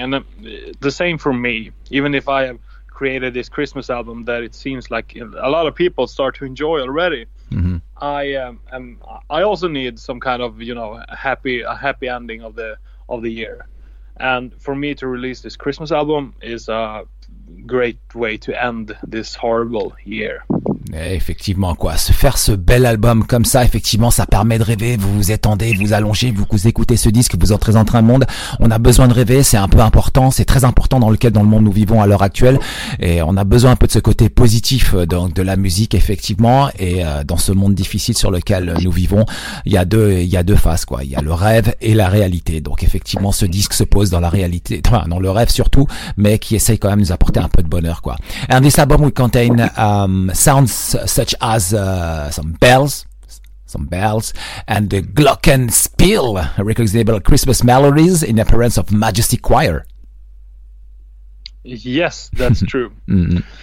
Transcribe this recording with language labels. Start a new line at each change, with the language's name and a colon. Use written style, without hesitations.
English: And the same for me, even if I have created this Christmas album that it seems like a lot of people start to enjoy already. Mm-hmm. I also need some kind of, you know, a happy ending of the year. And for me to release this Christmas album is a great way to end this horrible year.
French: Et effectivement, quoi. Se faire ce bel album comme ça, effectivement, ça permet de rêver. Vous vous étendez, vous allongez, vous écoutez ce disque, vous entrez dans un monde. On a besoin de rêver, c'est un peu important, c'est très important dans le monde nous vivons à l'heure actuelle. Et on a besoin un peu de ce côté positif de la musique, effectivement. Et dans ce monde difficile sur lequel nous vivons, il y a deux faces, quoi. Il y a le rêve et la réalité. Donc effectivement, ce disque se pose dans la réalité, enfin, dans le rêve surtout, mais qui essaye quand même de nous apporter un peu de bonheur, quoi. Un des
English: albums will contain sounds such as some bells and the glockenspiel, recognizable Christmas melodies in the appearance of Majestic Choir. Yes, that's true. Mm-hmm.